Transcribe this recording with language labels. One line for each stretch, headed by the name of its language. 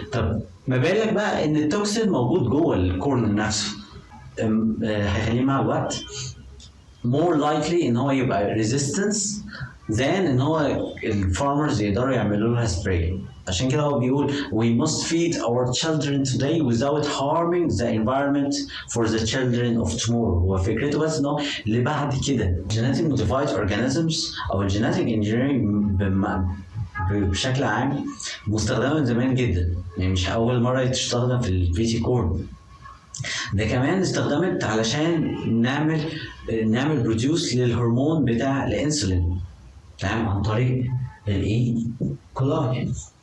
Arabic: طب ما بالك بقى ان التوكسين موجود جوه الكورن نفسه، هيخليه مع الوقت
English: more likely
Arabic: ان هو يبقى resistance than ان هو الفارمرز يقدروا يعملوا لها spray. عشان كده هو بيقول
English: we must feed our children today without harming the environment for the children of tomorrow.
Arabic: هو فكرته بس ان هو اللي بعد كده
English: genetic modified organisms
Arabic: او
English: genetic engineering
Arabic: بشكل عام مستخدمة زمان جدا، يعني مش اول مرة تشتغل في البيتي كورن، ده كمان استخدمت علشان نعمل بروديوس للهرمون بتاع الانسولين، تمام، عن طريق الاي كولاجين.